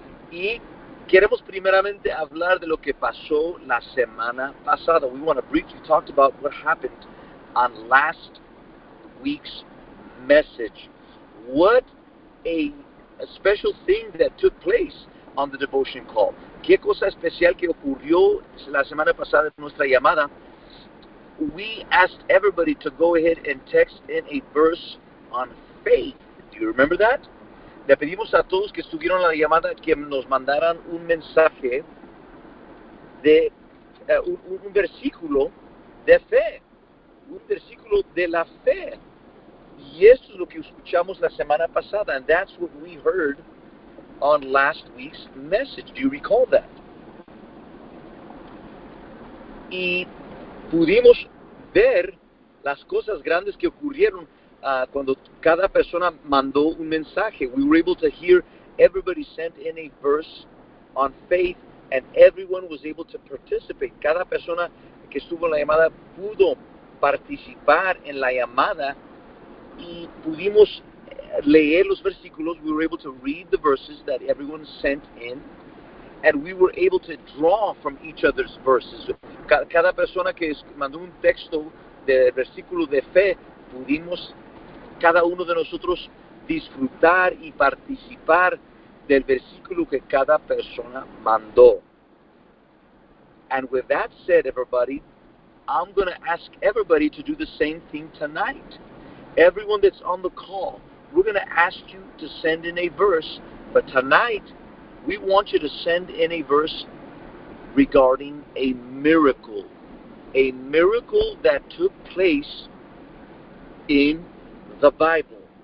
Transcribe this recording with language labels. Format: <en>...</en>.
<es>Y queremos primeramente hablar de lo que pasó la semana pasada.</es> <en>We want to briefly talk about what happened on last week's message. What a special thing that took place on the devotion call.</en> <es>¿Qué cosa especial que ocurrió la semana pasada en nuestra llamada?</es> <en>We asked everybody to go ahead and text in a verse on faith. Do you remember that?</en> <es>Le pedimos a todos que estuvieron en la llamada que nos mandaran un mensaje de un versículo de fe. Un versículo de la fe. Y eso es lo que escuchamos la semana pasada.</es> <en>And that's what we heard on last week's message. Do you recall that?</en> <es>Y pudimos ver las cosas grandes que ocurrieron cuando cada persona mandó un mensaje.</es> <en>We were able to hear everybody sent in a verse on faith, and everyone was able to participate.</en> <es>Cada persona que estuvo en la llamada pudo participar en la llamada y pudimos leer los versículos.</es> <en>We were able to read the verses that everyone sent in, and we were able to draw from each other's verses.</en> <es>Cada persona que mandó un texto de versículo de fe, pudimos cada uno de nosotros disfrutar y participar del versículo que cada persona mandó.</es> <en>And with that said, everybody, I'm going to ask everybody to do the same thing tonight. Everyone that's on the call, we're going to ask you to send in a verse, but tonight we want you to send in a verse regarding a miracle that took place in the Bible.</en>